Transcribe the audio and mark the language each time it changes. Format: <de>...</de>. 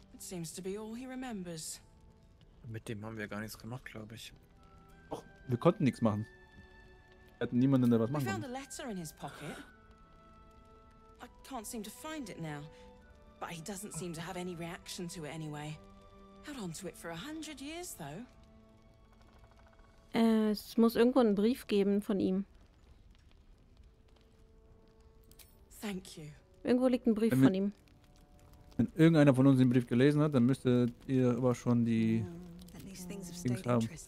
<en>It seems to be all he remembers.</en> <de>Mit dem haben wir gar nichts gemacht, glaube ich. Och, wir konnten nichts machen. Wir hatten niemanden, der was machen konnte.</de> <en>We found a letter in his pocket. I can't seem to find it now. But he doesn't seem to have any reaction to it anyway. Held on to it for 100 years, though.</en> <de>Es muss irgendwo einen Brief geben von ihm.</de> <en>Thank you.</en> <de>Irgendwo liegt ein Brief von ihm. Wenn irgendeiner von uns den Brief gelesen hat, dann müsstet ihr aber schon die Dings haben.</de>